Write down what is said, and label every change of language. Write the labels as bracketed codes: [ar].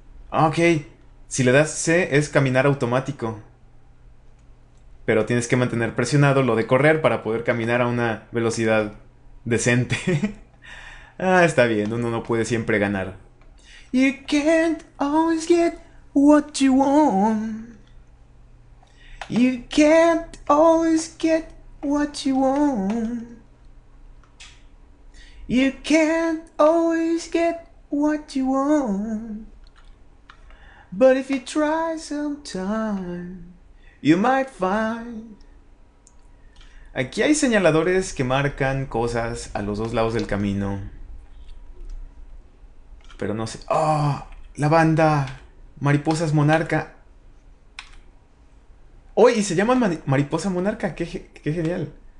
[es] Ok. Si le das C es caminar automático. Pero tienes que mantener presionado lo de correr para poder caminar a una velocidad decente. Ah, está bien. Uno no puede siempre ganar. [en] You can't always get what you want. You can't always get what you want. You can't always get what you want. But if you try sometime, you might find. [es] Aquí hay señaladores que marcan cosas a los dos lados del camino. Pero no sé. ¡Oh! La banda. Mariposas Monarca. Oye, oh, y se llaman Mariposa Monarca, qué genial.